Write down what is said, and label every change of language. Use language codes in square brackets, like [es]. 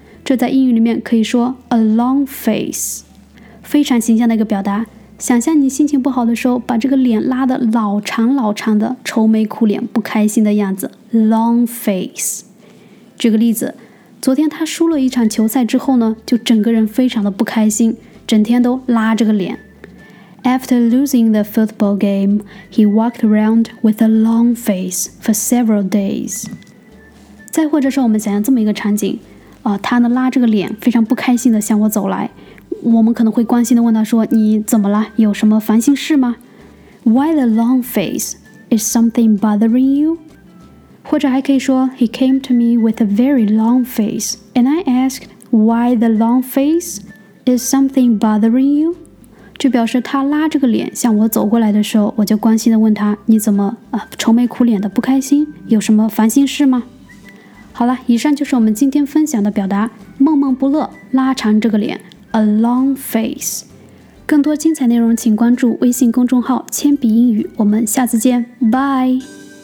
[zh] 这在英语里面可以说 a long face， 非常形象的一个表达。想象你心情不好的时候，把这个脸拉得老长老长的，愁眉苦脸不开心的样子， long face。举个例子，昨天他输了一场球赛之后呢，就整个人非常的不开心，整天都拉着个脸。 [en] After losing the football game, he walked around with a long face for several days。 [zh] 再或者说我们想象这么一个场景，他呢拉着个脸非常不开心的向我走来，我们可能会关心地问他说，你怎么了？有什么烦心事吗？ [en] Why the long face? Is something bothering you? [zh] 或者还可以说， [en] He came to me with a very long face, and I asked, why the long face? Is something bothering you? [zh] 就表示他拉着个脸向我走过来的时候，我就关心地问他，你怎么愁眉苦脸的不开心？有什么烦心事吗？好了，以上就是我们今天分享的表达，闷闷不乐，拉长这个脸，A long face。更多精彩内容请关注微信公众号铅笔英语，我们下次见，Bye。